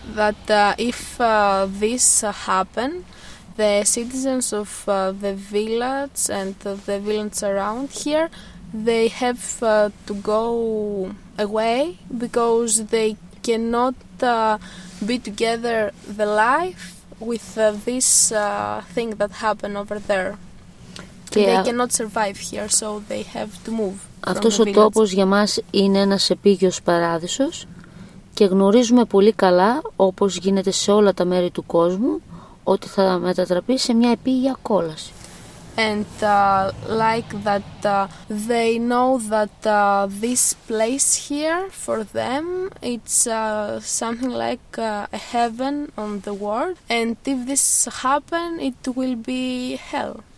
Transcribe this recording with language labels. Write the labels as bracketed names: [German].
[English] That if this happen, the citizens of the village and the villages around here, they have to go away because they cannot be together the life with this thing that happened over there. Και they cannot survive here, so they have to move. [Greek] Αυτός ο τόπος για μας είναι ένας επίγειος παράδεισος και γνωρίζουμε πολύ καλά, όπως γίνεται σε όλα τα μέρη του κόσμου, ότι θα μετατραπεί σε μια επίγεια κόλαση. [English] And like that they know that this place here for them it's something like a heaven on the world, and if this happen it will be hell.